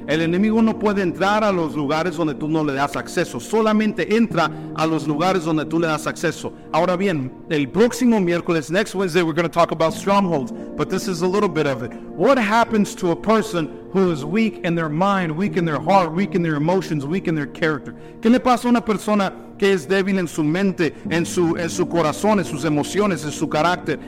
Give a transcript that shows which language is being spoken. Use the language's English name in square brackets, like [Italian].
[Spanish] El enemigo no puede entrar a los lugares donde tú no le das acceso. Solamente entra a los lugares donde tú le das acceso. Ahora bien, el próximo miércoles, [English] next Wednesday, we're going to talk about strongholds. But this is a little bit of it. What happens to a person who is weak in their mind, weak in their heart, weak in their emotions, weak in their character? [Spanish] ¿Qué le pasa a una persona que es débil en su mente, en su corazón, en sus emociones, en su carácter?